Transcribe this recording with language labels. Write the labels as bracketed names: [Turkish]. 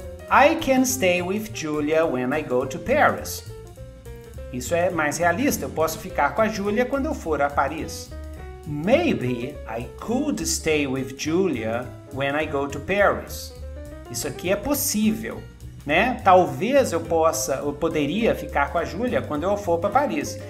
[English] I can stay with Julia when I go to Paris. [Portuguese] Isso é mais realista. Eu posso ficar com a Julia quando eu for a Paris. [English] Maybe I could stay with Julia when I go to Paris. [Portuguese] Isso aqui é possível, né? Talvez eu poderia ficar com a Julia quando eu for para Paris.